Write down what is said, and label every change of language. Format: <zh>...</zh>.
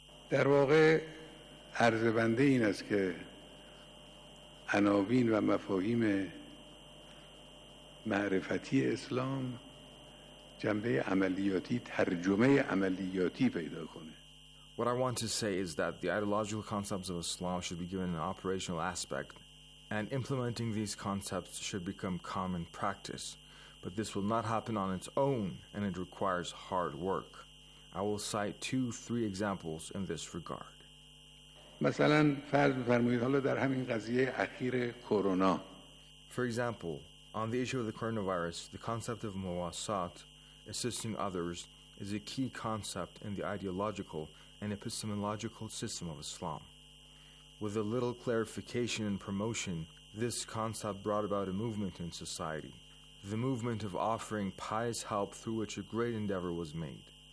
<fa>در واقع عرضه بنده این است که عناوین و مفاهیم معرفتی اسلام جنبه عملیاتی ترجمه عملیاتی پیدا کنه.</fa> <en>What I want to say is that the ideological concepts of Islam should be given an operational aspect, and implementing these concepts should become common practice. But this will not happen on its own, and it requires hard work. I will cite 2-3 examples in this regard.</en> <fa>مثلا فرض فرمایید حالا در همین قضیه اخیر کرونا.</fa> <en>For example, on the issue of the coronavirus, the concept of muwasat, assisting others, is a key concept in the ideological and epistemological system of Islam. With a little clarification and promotion, this concept brought about a movement in society, the movement of offering pious help through which a great endeavor was made.</en>